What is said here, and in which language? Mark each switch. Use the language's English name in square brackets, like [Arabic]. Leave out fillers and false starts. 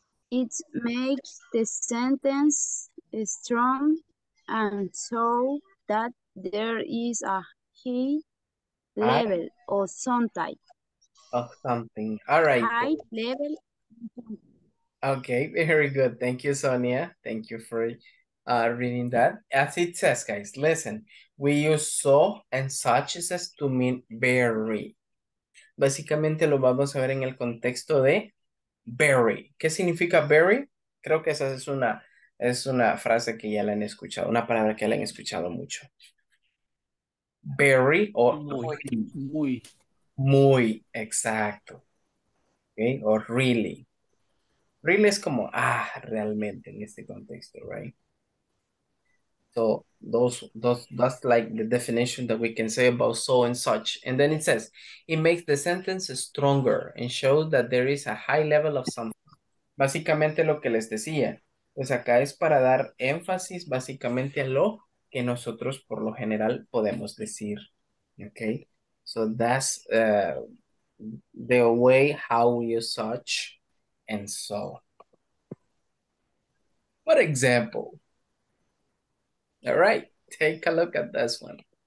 [English] It makes the sentence strong and so that there is a high level or some type. Of something. All right. High level. Okay, very good. Thank you, Sonia. Thank you for reading that. As it says, guys, listen. We use so and such as to mean very. [Spanish] Básicamente lo vamos a ver en el contexto de very. ¿Qué significa very? Creo que esa es una frase que ya la han escuchado, una palabra que ya la han escuchado mucho. Very o muy. Muy, exacto. Okay, o really. Really es como, ah, realmente en este contexto, right? [English] So that's like the definition that we can say about so and such. And then it says, it makes the sentence stronger and shows that there is a high level of something. [Spanish] Básicamente lo que les decía, pues acá es para dar énfasis básicamente a lo que nosotros por lo general podemos decir, okay? [English] So that's the way how we use such and so. For example, all right, take a look at this one.